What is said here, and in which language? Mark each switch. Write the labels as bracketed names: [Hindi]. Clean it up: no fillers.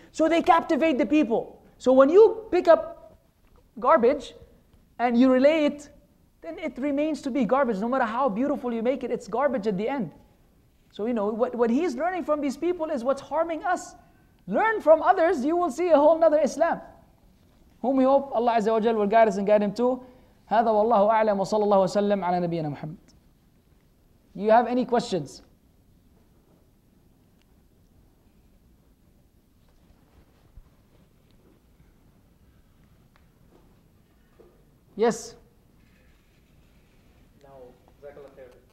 [English] So they captivate the people. So when you pick up garbage and you relay it, then it remains to be garbage. No matter how beautiful you make it, it's garbage at the end. So you know, what he's learning from these people is what's harming us. Learn from others, you will see a whole nother Islam. Whom we hope Allah Azza wa Jal will guide us and guide him to. [Arabic] هذا والله أعلم وصلى الله وسلم على نبينا محمد. [English] Do you have any questions? Yes. Now, JazakAllah khair.